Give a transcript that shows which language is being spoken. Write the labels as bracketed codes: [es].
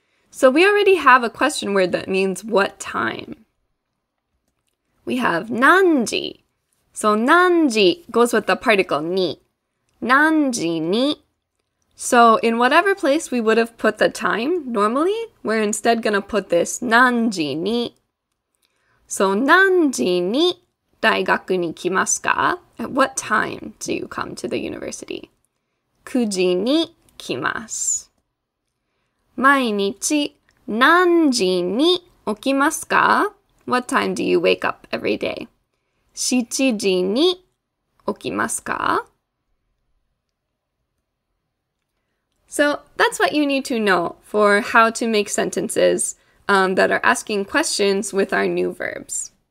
[en] So we already have a question word that means what time. We have 何時.So 何時 goes with the particle に. [ja] 何時に. [en] So in whatever place we would have put the time normally, we're instead going to put this 何時に. [ja] So 何時に大学に来ますか? [en] At what time do you come to the university? [ja] 9時に来ます. 毎日何時に起きますか? [en] What time do you wake up every day? [ja] 7時に起きますか? [en] So that's what you need to know for how to make sentences that are asking questions with our new verbs.